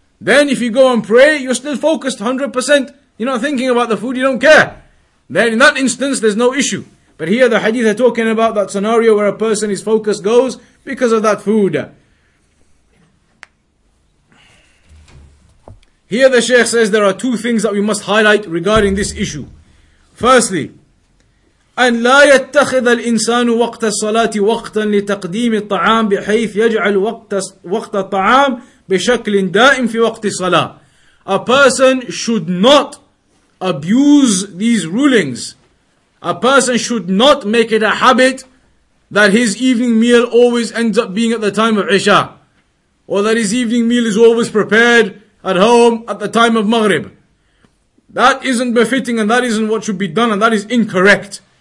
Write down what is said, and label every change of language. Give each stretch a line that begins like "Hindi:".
English: Then if you go and pray, you're still focused 100%. You're not thinking about the food, you don't care. Then in that instance, there's no issue. But here the hadith are talking about that scenario where a person, his focus goes because of that food. Here the Shaykh says there are two things that we must highlight regarding this issue. Firstly,
Arabic: أن لا يتخذ الإنسان وقت الصلاة وقتا لتقديم الطعام بحيث يجعل وقت الطعام بشكل دائم في وقت الصلاة.
English: A person should not abuse these rulings. A person should not make it a habit that his evening meal always ends up being at the time of Isha, or that his evening meal is always prepared at home at the time of Maghrib. That isn't befitting, and that isn't what should be done, and that is incorrect.